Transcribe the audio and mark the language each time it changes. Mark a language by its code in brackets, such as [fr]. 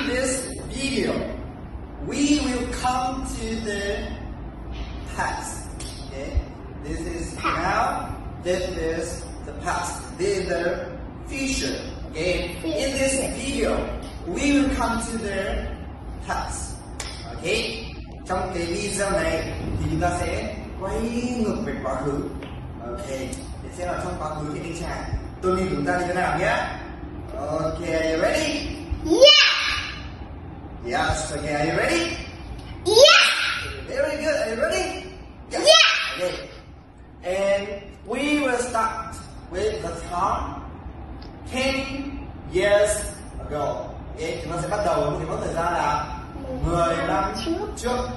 [en] In this video, we will come to the past. Okay? This is past. Now. This is the past. This is the future. Okay? In this video, we will come to the past. Okay? [vi] Trong cái video này thì chúng ta sẽ quay ngược về quá khứ. Ok, để xem là trong quá khứ thì anh chàng tôi đi chúng ta như thế nào nhé. [en] Ok, are you ready? Yeah. Yes, ok, are you ready? Yeah. Very good, are you ready? Yes. Yeah. Ok. And we will start with the time 10 years ago. [vi] Ok, chúng ta sẽ bắt đầu với một thời gian là 15 năm trước.